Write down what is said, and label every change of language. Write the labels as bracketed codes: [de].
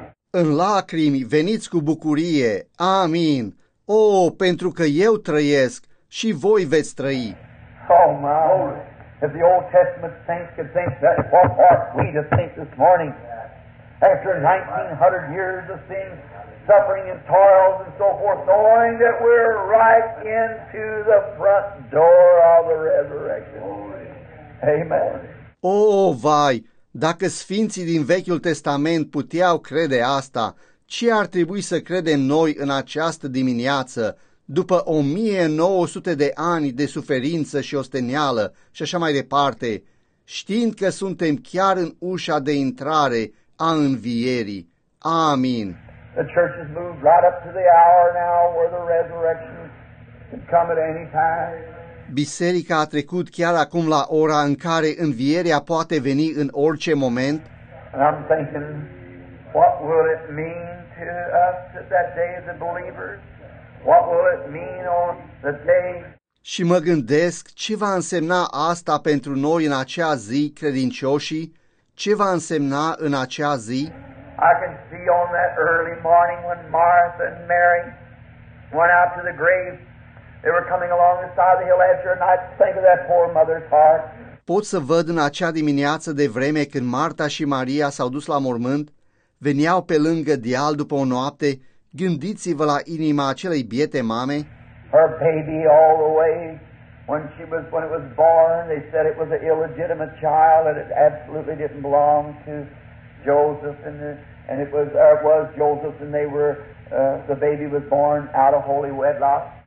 [ro] În lacrimi veniți cu bucurie. Amin. Oh, pentru că eu trăiesc și voi veți trăi. [en] Oh, my. If the Old Testament saints could think that, what ought we to think this morning? After 1900 years of sin, suffering and toils and so forth, knowing that we're right into the front door of the resurrection. Amen. [ro] Oh, vai! Dacă sfinții din Vechiul Testament puteau crede asta, ce ar trebui să credem noi în această dimineață, după 1900 de ani de suferință și osteneală și așa mai departe, știind că suntem chiar în ușa de intrare a învierii. Amin. [en] The church has moved right up to the hour now where the resurrection can come at any time. [ro] Biserica a trecut chiar acum la ora în care învierea poate veni în orice moment. [en] And I'm thinking, what will it mean to us that day as a believer? What will it mean on the day? [ro] Și mă gândesc ce va însemna asta pentru noi în acea zi, credincioși? Ce va însemna în acea zi? [en] I can see on that early morning when Martha and Mary went out to the grave. They were coming along the side of the hill after night. Think of that poor mother's heart. [ro] Pot să văd în acea dimineață de vreme când Marta și Maria s-au dus la mormânt, veneau pe lângă deal după o noapte, gândiți-vă la inima acelei biete mame. [en] Her baby all the way, when it was born, they said it was an illegitimate child and it absolutely didn't belong to Joseph. And it was Joseph and they were, the baby was born out of holy wedlock.